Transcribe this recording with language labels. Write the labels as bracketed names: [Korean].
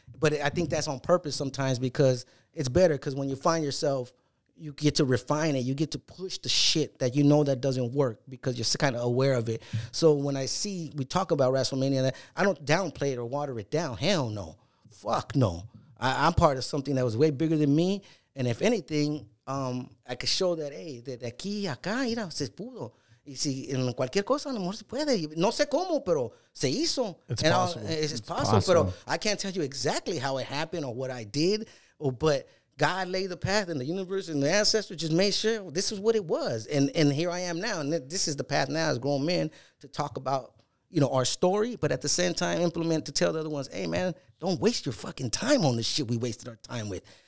[English] But I think that's on purpose sometimes because it's better because when you find yourself, you get to refine it. You get to push the shit that you know that doesn't work because you're kind of aware of it. So when I see we talk about WrestleMania, I don't downplay it or water it down. Hell no. Fuck no. I'm part of something that was way bigger than me. And if anything, I could show that, hey, [Spanish] de aquí acá, mira, se pudo. Y si en cualquier cosa, a lo mejor se puede. No sé cómo, pero se hizo. [English] It's possible. [Spanish] Pero [English] I can't tell you exactly how it happened or what I did. But God laid the path and the universe and the ancestors just made sure this is what it was. And here I am now. And this is the path now as grown men to talk about, you know, our story. But at the same time, implement to tell the other ones, hey, man, don't waste your fucking time on the shit we wasted our time with.